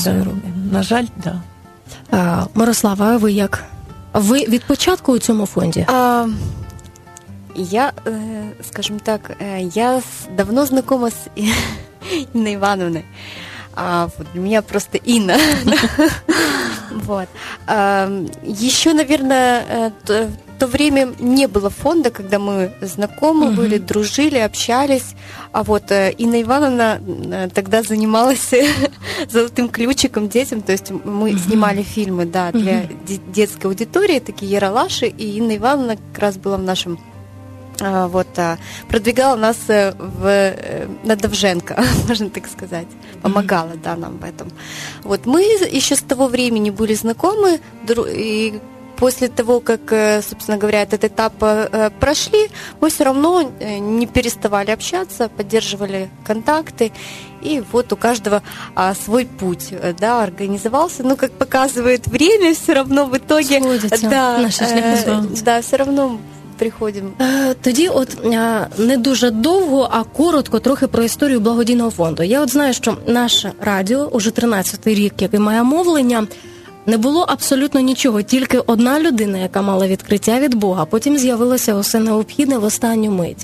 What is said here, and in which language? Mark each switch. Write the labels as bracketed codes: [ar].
[uk] Да. На жаль, так. Да. Мирослава, а ви як? Ви від початку у цьому фонді? Я, скажімо так, я давно знайома з Інною Івановною. [ru] А вот у меня просто Инна. Вот. Еще, наверное, то время не было фонда, когда мы знакомы были, дружили, общались. А вот Инна Ивановна тогда занималась «Золотым ключиком» детям. То есть мы снимали фильмы, да, для детской аудитории, такие яралаши. И Инна Ивановна как раз была в нашем... Вот, продвигала нас на Довженко, можно так сказать. Помогала, да, нам в этом. Вот, мы еще с того времени были знакомы, и после того, как, собственно говоря, этот этап прошли, мы все равно не переставали общаться, поддерживали контакты, и вот у каждого свой путь, да, организовался. Ну, как показывает время, все равно в итоге... Сходится, да, наша шляха сходится. Да, все равно... приходим. [uk] Тоді от не дуже довго, а коротко трохи про історію благодійного фонду. Я от знаю, що наше радіо, уже 13-й рік, як і моє мовлення, не було абсолютно нічого, тільки одна людина, яка мала відкриття від Бога, потім з'явилося усе необхідне в останню мить.